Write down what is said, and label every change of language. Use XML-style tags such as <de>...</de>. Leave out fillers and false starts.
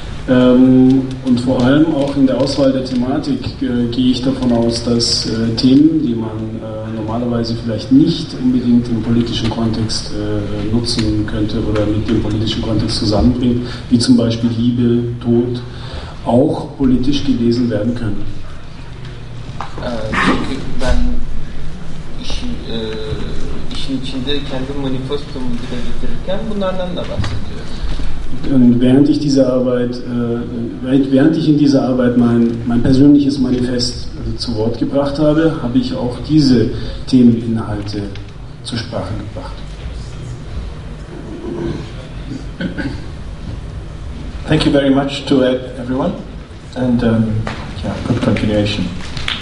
<de>Und vor allem auch in der Auswahl der Thematik gehe ich davon aus, dass Themen, die man normalerweise vielleicht nicht unbedingt im politischen Kontext nutzen könnte oder mit dem politischen Kontext zusammenbringt, wie zum Beispiel Liebe, Tod, auch politisch gelesen werden können.</de> <tr>Çünkü ben işin içinde kendi manifestomu dile getirirken bunlardan da bahsediyorum.</tr> <de>Und während ich diese Arbeit, während ich in dieser Arbeit mein persönliches Manifest zu Wort gebracht habe, habe ich auch diese Themeninhalte zur Sprache gebracht.</de> <en>Thank you very much to everyone and good continuation.</en>